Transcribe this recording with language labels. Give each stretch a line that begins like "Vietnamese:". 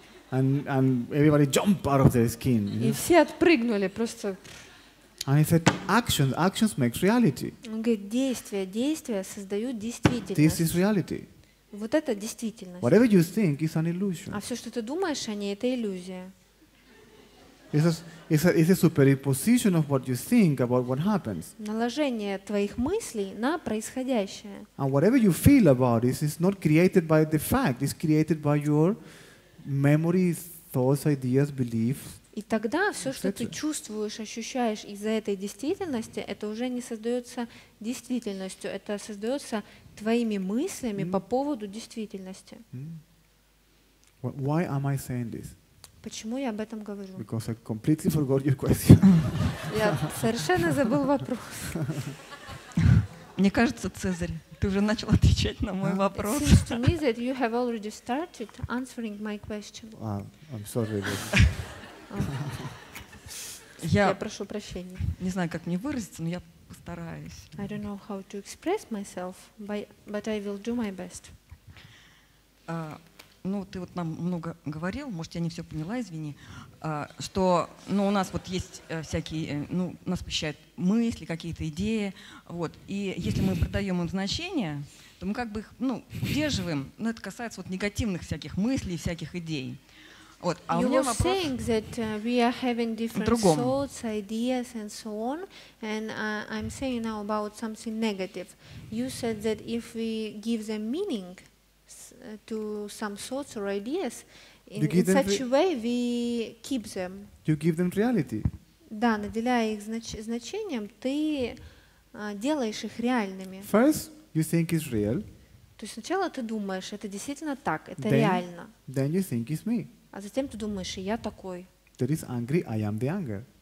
English: And everybody jumped out of their skin.
Russian: И
English: know?
Russian: Все отпрыгнули просто.
English: And he said, actions make reality.
Russian: Он говорит, действия создают действительность.
English: This is reality.
Russian: Вот это действительность.
English: Whatever you think is an illusion.
Russian: А все, что ты думаешь о ней, это иллюзия.
English: It's a superimposition of what you think about what happens.
Russian: Наложение твоих мыслей на происходящее.
English: And whatever you feel about it is not created by the fact. It's created by your memory, thoughts, ideas, beliefs.
Russian: И тогда все, что ты чувствуешь, ощущаешь из-за этой действительности, это уже не создается действительностью, это создается твоими мыслями по поводу действительности.
English: Why am I saying this?
Russian: Почему я об этом говорю?
English: Because I completely forgot your question.
Russian: Я совершенно забыл вопрос. Мне кажется, Цезарь, ты уже начал отвечать на мой вопрос.
English: It seems to me that you have already started answering my question. I'm sorry.
Russian: Я прошу прощения. Не знаю, как мне выразиться, но я постараюсь.
English: I don't know how to express myself, but I will do my best.
Russian: ну, ты вот нам много говорил, может, я не все поняла, извини, что, ну, у нас вот есть всякие, ну, нас посещают мысли, какие-то идеи, вот, и если мы придаем им значение, то мы как бы их, ну, удерживаем, но это касается вот негативных всяких мыслей, всяких идей. Вот, а
English: you were saying that we are having different thoughts, ideas, and so on, and I'm saying now about something negative. You said that if we give them meaning to some thoughts or ideas, in such a way we keep them. You give them reality.
Russian: Да, наделяя их значением, ты делаешь их реальными.
English: First, you think it's real.
Russian: То есть сначала ты думаешь, это действительно так, это реально.
English: Then you think it's me.
Russian: А затем ты думаешь, и я такой.
English: There is angry, I am the anger.